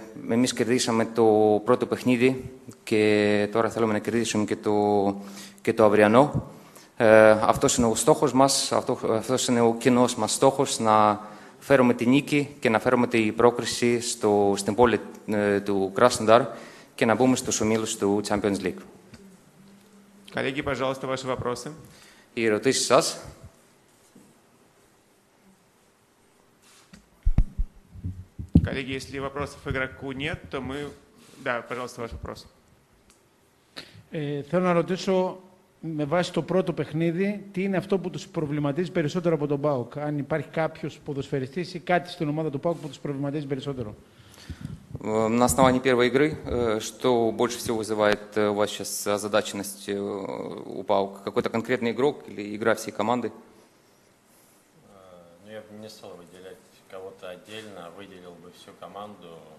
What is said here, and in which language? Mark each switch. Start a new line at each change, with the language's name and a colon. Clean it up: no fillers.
Greek: Εμείς κερδίσαμε το πρώτο παιχνίδι και τώρα θέλουμε να κερδίσουμε και το αυριανό. Αυτός είναι ο στόχος μας, αυτός είναι ο κοινός μας στόχος, να φέρουμε τη νίκη και να φέρουμε την πρόκριση στην πόλη του Krasnodar και να μπούμε στους ομίλους του Champions League.
Russian: Коллеги, пожалуйста, ваши вопросы. И
Greek: ερωτήσεις σας.
Russian: Коллеги, если вопросов игроку нет, то мы... Да, пожалуйста, ваш вопрос.
Greek: Θέλω να ρωτήσω, με βάση το πρώτο παιχνίδι, τι είναι αυτό που τους προβληματίζει περισσότερο από τον ΠΑΟΚ. Αν υπάρχει κάποιος ποδοσφαιριστής ή κάτι στην ομάδα του ΠΑΟΚ που τους προβληματίζει περισσότερο.
Russian: На основании первой игры, что больше всего вызывает у вас сейчас озадаченность у ПАОК? Какой-то конкретный игрок или игра всей команды? Ну, я бы не стал выделять кого-то отдельно, выделил бы всю команду.